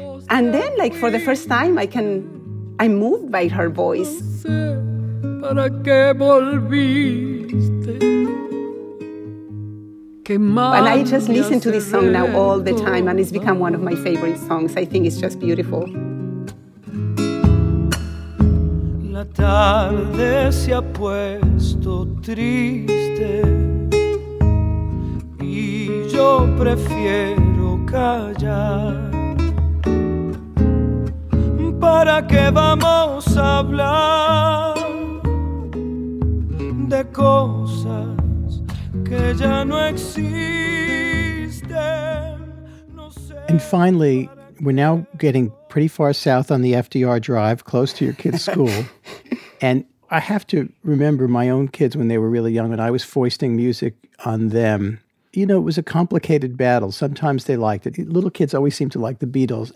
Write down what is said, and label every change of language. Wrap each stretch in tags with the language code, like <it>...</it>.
<en>And then, like, for the first time, I'm moved by her voice. And I just listen to this song now all the time, and it's become one of my favorite songs. I think it's just beautiful.</en> <es>Tarde se ha puesto triste y yo prefiero callar. ¿Para qué vamos a hablar de cosas que ya no existen? No sé.</es> <en>And finally, we're now getting pretty far south on the FDR Drive, close to your kid's school. And I have to remember my own kids when they were really young and I was foisting music on them. You know, it was a complicated battle. Sometimes they liked it. Little kids always seem to like the Beatles.</en>